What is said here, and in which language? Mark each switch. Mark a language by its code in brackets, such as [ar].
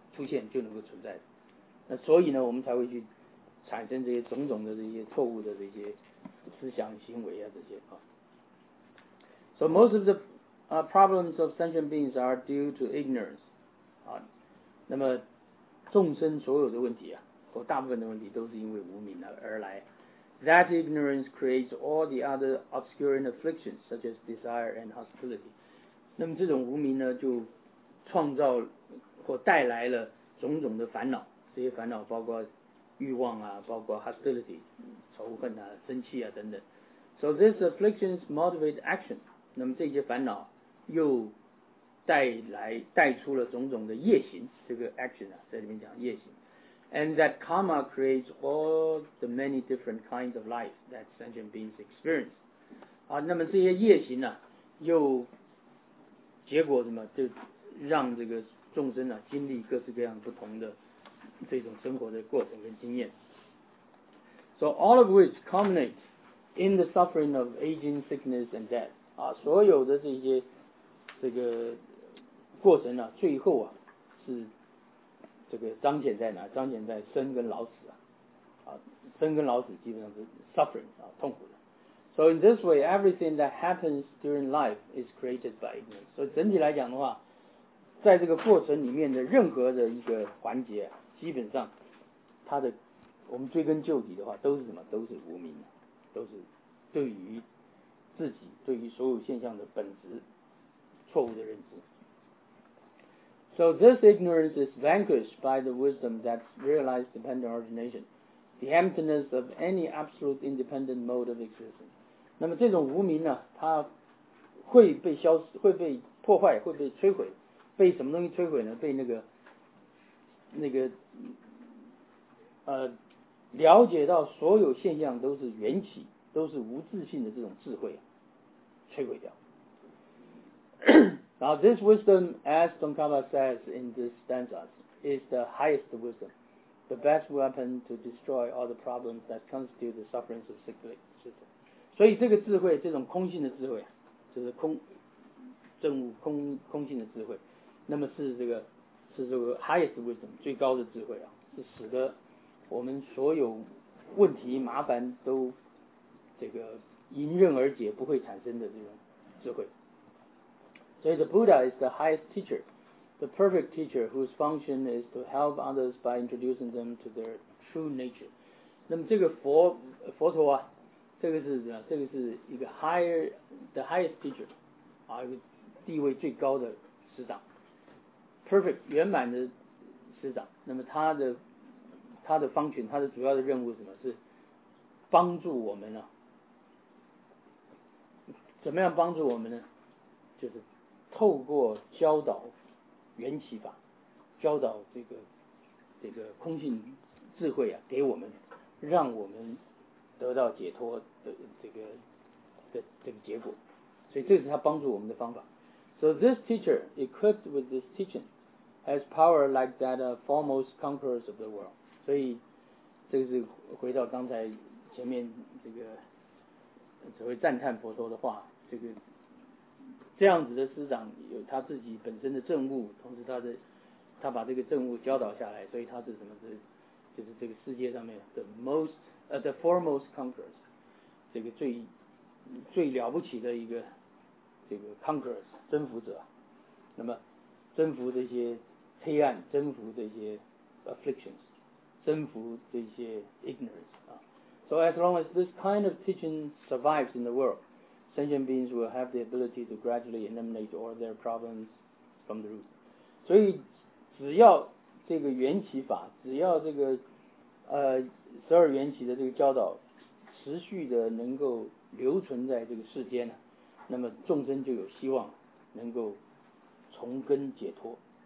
[zh] 出现就能够存在的。那所以呢，我们才会去产生这些种种的这些错误的这些思想行为啊，这些啊。 [en] So most of the problems of sentient beings are due to ignorance. [zh] 啊，那么众生所有的问题啊，或大部分的问题都是因为无明而来。 [en] That ignorance creates all the other obscuring afflictions, such as desire and hostility. [zh] 那么这种无明呢，就创造或带来了种种的烦恼。这些烦恼包括欲望啊，包括 hostility, 仇恨啊，生气啊等等。 [en] So these afflictions motivate action. [zh] 那么这些烦恼又带出了种种的业行。这个 action 啊，在里面讲业行。 [en] And that karma creates all the many different kinds of life that sentient beings experience. [zh] 啊，那么这些业行呢、啊，又结果什么？就让这个众生呢、啊，经历各式各样不同的这种生活的过程跟经验。 [en] So all of which culminate in the suffering of aging, sickness, and death. [zh] 啊，所有的这些这个过程呢、啊，最后啊是。这个彰显在哪？彰显在生跟老死啊，啊，生跟老死基本上是 suffering 啊，痛苦的。 [en] So in this way, everything that happens during life is created by ignorance. [zh] 所以整体来讲的话，在这个过程里面的任何的一个环节、啊，基本上它的我们追根究底的话，都是什么？都是无明，都是对于自己、对于所有现象的本质错误的认知。 [en] So this ignorance is vanquished by the wisdom that realized dependent origination, the emptiness of any absolute independent mode of existence. [zh] 那么这种无明呢、啊，它会被消失，会被破坏，会被摧毁，被什么东西摧毁呢？被那个了解到所有现象都是缘起，都是无自性的这种智慧、啊、摧毁掉。 [en] Now this wisdom, as Tsongkhapa says in this stanza, is the highest wisdom, the best weapon to destroy all the problems that constitute the sufferings of sickly system. [zh] 所以这个智慧，这种空性的智慧，就是空证悟空性的智慧，那么是这个 [en] highest wisdom [zh] 最高的智慧啊，是使得我们所有问题麻烦都这个迎刃而解，不会产生的这种智慧。 [en] So the Buddha is the highest teacher, the perfect teacher whose function is to help others by introducing them to their true nature. [zh] 那么这个佛陀啊，这个是一个 [en] highest teacher, [zh] 啊，一个地位最高的师长 ，perfect 圆满的师长。那么他的 function, 他的主要的任务是什么？是帮助我们啊，怎么样帮助我们呢？就是透过教导缘起法，教导这个空性智慧啊，给我们，让我们得到解脱的这个结果，所以这是他帮助我们的方法。 [en] So this teacher, equipped with this teaching, has power like that of foremost conquerors of the world. [zh] 所以这个是回到刚才前面这个所谓赞叹佛陀的话，这个。这样子的师长有他自己本身的证悟，同时他把这个证悟教导下来，所以他是什么？是就是这个世界上面 [en] the foremost conquerors， [zh] 这个最了不起的一个这个 conquerors 征服者，那么征服这些黑暗，征服这些 afflictions， 征服这些 ignorance 啊。 [en] So as long as this kind of teaching survives in the world。 Sentient beings will have the ability to gradually eliminate all their problems from the root. [zh] 所以，只要这个缘起法，只要这个十二缘起的这个教导持续的能够留存在这个世间呢，那么众生就有希望能够从根解脱。